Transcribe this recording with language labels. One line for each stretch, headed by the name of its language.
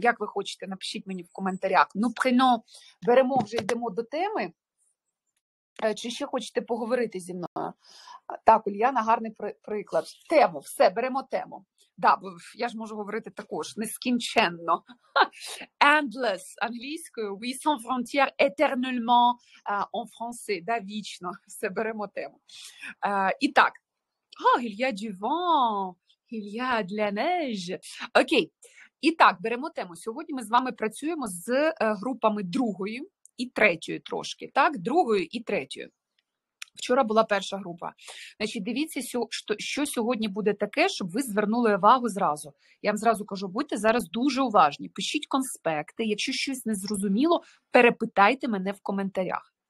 Ukrainian: Як ви хочете, напишіть мені в коментарях. Ну, прино, беремо вже, йдемо до теми. Чи ще хочете поговорити зі мною? Так, Ульяна, гарний приклад. Тему, все, беремо тему. Да, я ж можу говорити також, нескінченно.
English: Endless,
Ukrainian: англійською.
French: Oui, sans frontières, éternellement, en français.
Ukrainian: Да, вічно, все, беремо тему. І так.
French: Oh, il y a du vent, il y a de la neige.
Ukrainian: Окей, і так, беремо тему. Сьогодні ми з вами працюємо з групами другої і третьої трошки. Так, другої і третьої. Вчора була перша група. Значить, дивіться, що сьогодні буде таке, щоб ви звернули увагу зразу. Я вам зразу кажу, будьте зараз дуже уважні. Пишіть конспекти, якщо щось не зрозуміло, перепитайте мене в коментарях.